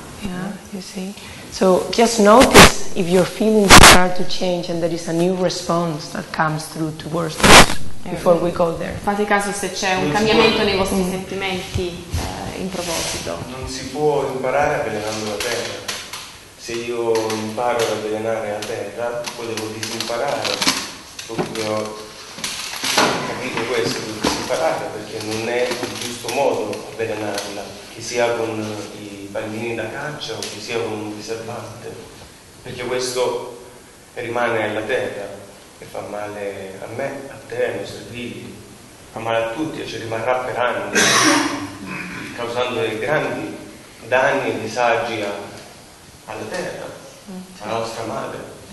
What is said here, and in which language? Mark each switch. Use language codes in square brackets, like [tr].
[en] Yeah, you see. So just notice if your feelings start to change and there is a new response that comes through towards this before we go there. [it] Fate caso se c'è un cambiamento nei vostri sentimenti in proposito. Non si può imparare avvelenando la terra. Se io imparo ad avvelenare la terra, poi devo disimparare. Proprio capito questo, disimparare, perché non è il giusto modo avvelenarla, che sia con i pallini da caccia o che sia con un riservante, perché questo rimane alla terra e fa male a me, a te, ai nostri figli, fa male a tutti e ci rimarrà per anni, causando dei grandi danni e disagi alla terra, alla nostra madre.